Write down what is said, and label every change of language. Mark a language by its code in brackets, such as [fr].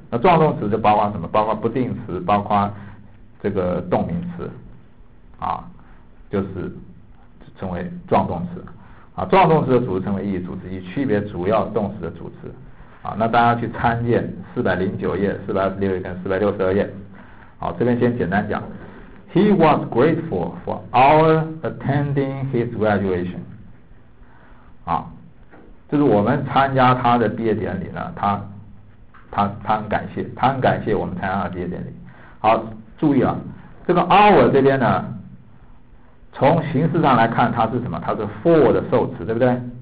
[zh] 那状动词就包括什么？包括不定词，包括这个动名词，啊，就是称为状动词。啊，状动词的主词称为意义主词，以区别主要动词的主词。啊，那大家去参见409页、426页跟462页。好，这边先简单讲 [en] ，He was grateful for our attending his graduation。 [zh] 啊，就是我们参加他的毕业典礼呢，他很感谢我们参加他的毕业典礼。好，注意啊，这个 our 这边呢，从形式上来看，它是什么？它是 for 的受词，对不对？